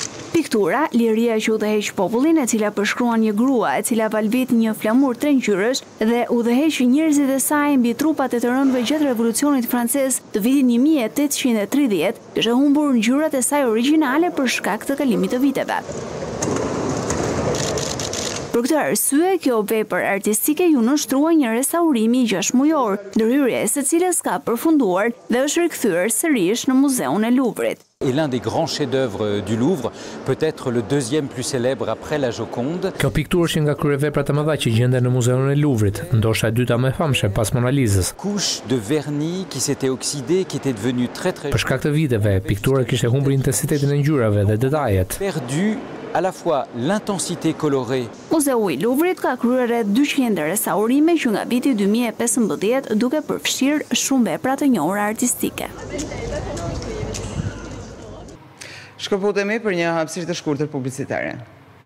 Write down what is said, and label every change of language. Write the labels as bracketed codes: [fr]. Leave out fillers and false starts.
[sq] Piktura, Liria që udhëheq popullin, e cila përshkruan një grua e cila valvit një flamur tre ngjyrësh dhe udhëheq njerëzit e saj mbi trupat e të rënve gjatë revolucionit francez të vitit 1830, kishte humbur ngjyrat e saj origjinale për shkak të kalimit të viteve. Për këtë arsye, kjo vepër artistike ju nështrua një restaurimi 6 mujor, ndërhyrje se cilës ka përfunduar dhe është rikthyer sërish në muzeun e Luvrit. [fr] Et l'un des grands chefs-d'œuvre du Louvre, peut-être le deuxième plus célèbre après la Joconde. [sq] Kjo pikturë është nga kryeveprat e mëdha që gjenden në muzeun e Luvrit, ndoshta e dyta më e famshme pas Mona Lizës. [fr] Couche de vernis qui s'était oxydé, qui était devenue très très. [sq] Për shkak të viteve, piktura kishte humbur intensitetin e ngjyrave dhe detajet. [fr] Perdu à la fois l'intensité colorée. [sq] Muzeu i Luvrit ka kryer rreth 200 restaurime që nga viti 2015 duke përfshirë shumë vepra të njohura artistike. Shkëputemi për një hapësirë të shkurtër publicitare.